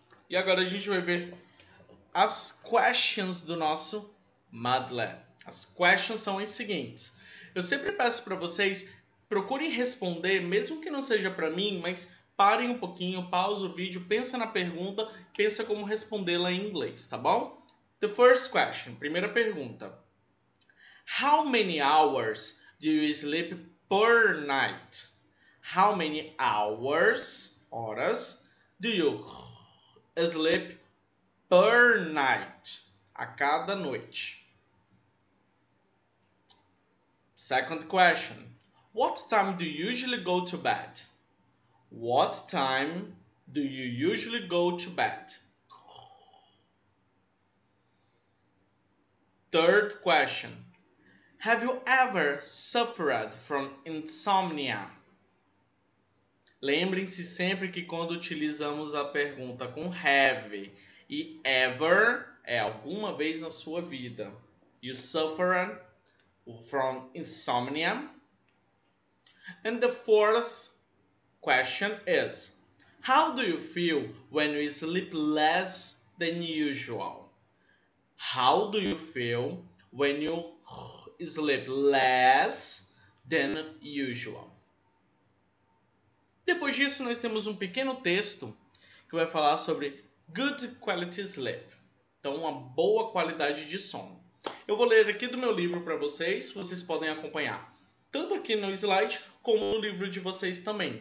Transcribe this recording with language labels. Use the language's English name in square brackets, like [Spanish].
[Portuguese] E agora a gente vai ver as questions do nosso Madlet. As questions são as seguintes. Eu sempre peço para vocês procurem responder, mesmo que não seja para mim, mas parem um pouquinho, pausa o vídeo, pensa na pergunta, pensa como respondê-la em inglês, tá bom? [English] The first question, [Portuguese] primeira pergunta. [English] How many hours do you sleep per night? How many hours, horas, do you sleep per night? [Portuguese] A cada noite. [English] Second question. What time do you usually go to bed? What time do you usually go to bed? Third question. Have you ever suffered from insomnia? [Portuguese] Lembrem-se sempre que quando utilizamos a pergunta com have e ever é alguma vez na sua vida. [English] You suffered from insomnia. And the fourth question is, how do you feel when you sleep less than usual? How do you feel when you sleep less than usual? [Portuguese] Depois disso, nós temos um pequeno texto que vai falar sobre [English] good quality sleep. [Portuguese] Então, uma boa qualidade de sono. Eu vou ler aqui do meu livro para vocês, vocês podem acompanhar tanto aqui no slide como no livro de vocês também.